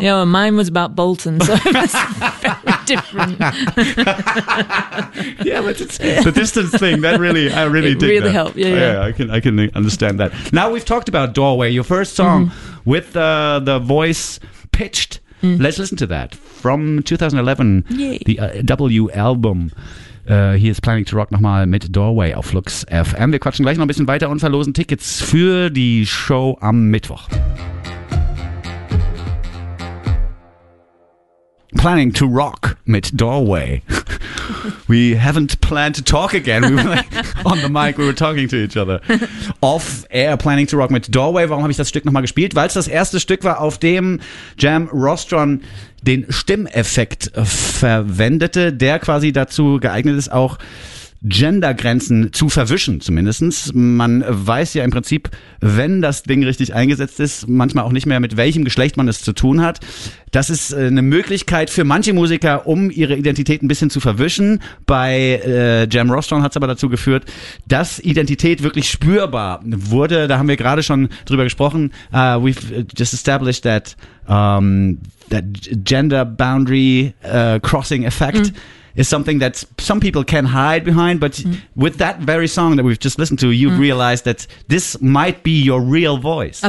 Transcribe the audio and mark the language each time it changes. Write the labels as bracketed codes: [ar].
[en] Yeah, well, mine was about Bolton, so it was very different. Yeah, but it's the distance thing, that really, I really dig really that. It really helped, yeah. I can understand that. Now we've talked about Doorway, your first song with the voice pitched. Mm. Let's listen to that from 2011. Yay. The W album. He is planning to rock [de] nochmal mit Doorway auf Lux FM. Wir quatschen gleich noch ein bisschen weiter und verlosen Tickets für die Show am Mittwoch. [en] Planning to rock [de] mit Doorway. [en] We haven't planned to talk again. We were like on the mic, we were talking to each other. Off air, planning to rock mit Doorway. [de] Warum habe ich das Stück nochmal gespielt? Weil es das erste Stück war, auf dem Jam Rostron den Stimmeffekt verwendete, der quasi dazu geeignet ist, auch Gendergrenzen zu verwischen, zumindest. Man weiß ja im Prinzip, wenn das Ding richtig eingesetzt ist, manchmal auch nicht mehr, mit welchem Geschlecht man es zu tun hat. Das ist eine Möglichkeit für manche Musiker, um ihre Identität ein bisschen zu verwischen. Bei Jam Rostron hat es aber dazu geführt, dass Identität wirklich spürbar wurde. Da haben wir gerade schon drüber gesprochen. [en] We've just established that that gender boundary crossing effect is something that some people can hide behind, but with that very song that we've just listened to, you've realized that this might be your real voice.